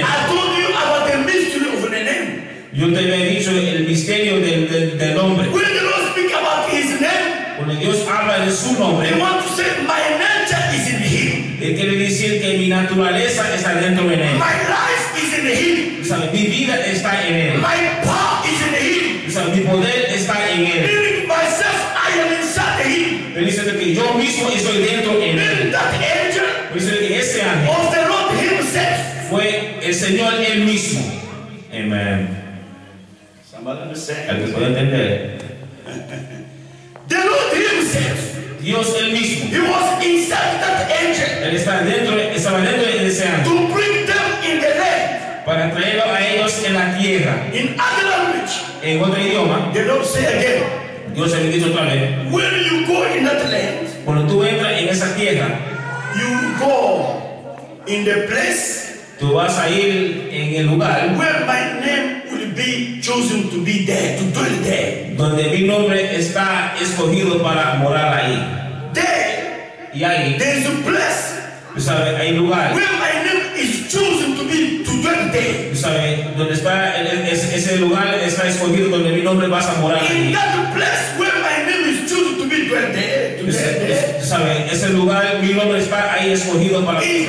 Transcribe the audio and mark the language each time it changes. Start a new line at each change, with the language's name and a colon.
English: I told you about the mystery of the name.
Spanish: Yo te había dicho el misterio del nombre.
English: When the Lord speak about his name,
Spanish: cuando Dios habla palabra de su nombre.
English: You want to say my nature is in him.
Spanish: Él quiere decir que mi naturaleza está dentro de él.
English: My life is in him.
Spanish: O sea, mi vida está en él.
English: My power is in him.
Spanish: O sea, mi poder está en él.
English: Meaning myself, I am inside him.
Spanish: Él dice de que yo mismo estoy dentro de él.
English: That angel.
Spanish: Dice de que ese ángel.
English: Was the Lord himself.
Spanish: Fue el Señor él mismo. Amen.
English: Somebody
Spanish: puede entender.
English: The Lord himself.
Spanish: Dios él mismo.
English: He was inside that angel.
Spanish: Él está dentro, estaba dentro de ese ángel.
English: To bring them in the land.
Spanish: Para traerlo a ellos en la tierra.
English: In other language.
Spanish: En otro idioma.
English: The Lord say again.
Spanish: Dios le dijo otra vez.
English: When you go in that land.
Spanish: Cuando tú entras en esa tierra.
English: You go in the place.
Spanish: Tú vas a ir en el lugar
English: where my name will be chosen to be there, to dwell there.
Spanish: Donde mi nombre está escogido para morar ahí.
English: There.
Spanish: Y ahí.
English: There is a place.
Spanish: ¿Sabes? Hay lugar.
English: Where my name is chosen to be, to dwell there.
Spanish: ¿Sabes? Donde está ese lugar está escogido donde mi nombre vas a morar.
English: In that place where my name is chosen to be dwell there.
Spanish: ¿Sabes? Ese lugar mi nombre está ahí escogido para.